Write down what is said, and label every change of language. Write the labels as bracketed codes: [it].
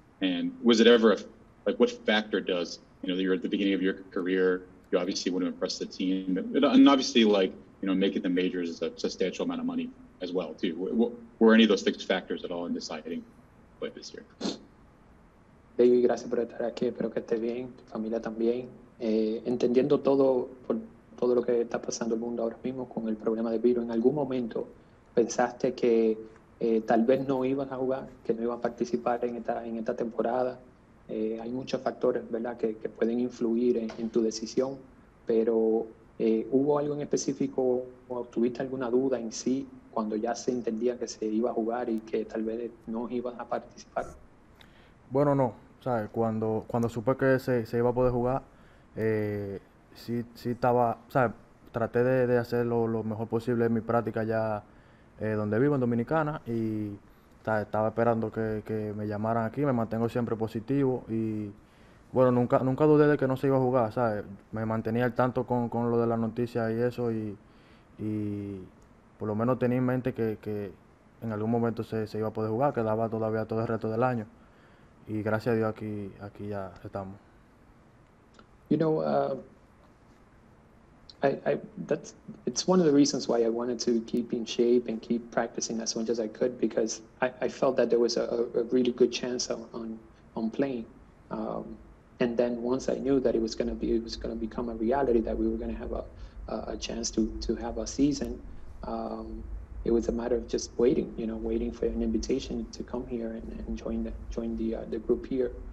[en] And was it ever, what factor does, you know, you're at the beginning of your career, you obviously want to impress the team, and obviously, making the majors is a substantial amount of money as well, too. Were any of those fixed factors at all in deciding to play this year? [es] David, gracias por estar aquí. Espero que esté bien, tu familia también. Entendiendo todo por todo lo que está pasando el mundo ahora mismo con el problema de virus, ¿en algún momento pensaste que tal vez no ibas a jugar, que no ibas a participar en esta temporada? Hay muchos factores, ¿verdad?, que pueden influir en tu decisión, pero ¿hubo algo en específico o tuviste alguna duda en sí cuando ya se entendía que se iba a jugar y que tal vez no ibas a participar? Bueno, no. ¿Sabes? Cuando supe que se iba a poder jugar, sí estaba, ¿sabes? Traté de hacer lo mejor posible en mi práctica allá donde vivo, en Dominicana, y ¿sabes? Estaba esperando que me llamaran aquí. Me mantengo siempre positivo y, bueno, nunca dudé de que no se iba a jugar, ¿sabes? Me mantenía al tanto con lo de las noticias y eso, y por lo menos tenía en mente que en algún momento se iba a poder jugar, quedaba todavía todo el resto del año. Y gracias a Dios aquí ya estamos. [en] You know, it's one of the reasons why I wanted to keep in shape and keep practicing as much as I could, because I felt that there was a really good chance on playing. And then once I knew that it was going to become a reality that we were going to have a chance to have a season, it was a matter of just waiting, you know, waiting for an invitation to come here and join the group here.